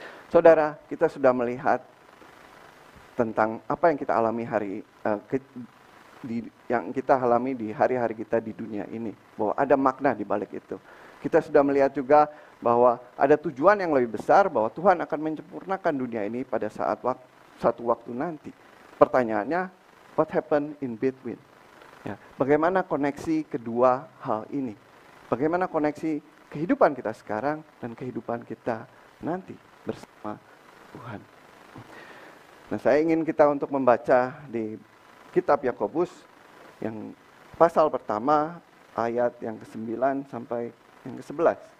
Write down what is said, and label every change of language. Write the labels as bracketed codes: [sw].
[id] Saudara, kita sudah melihat tentang apa yang kita alami hari di hari-hari kita di dunia ini, bahwa ada makna di balik itu. Kita sudah melihat juga bahwa ada tujuan yang lebih besar, bahwa Tuhan akan menyempurnakan dunia ini pada saat satu waktu nanti. [en] Pertanyaannya, what happened in between? [id] Ya, bagaimana koneksi kedua hal ini? Bagaimana koneksi kehidupan kita sekarang dan kehidupan kita nanti bersama Tuhan? Nah, saya ingin kita untuk membaca di Kitab Yakobus yang pasal pertama ayat yang ke-9 sampai yang ke-11.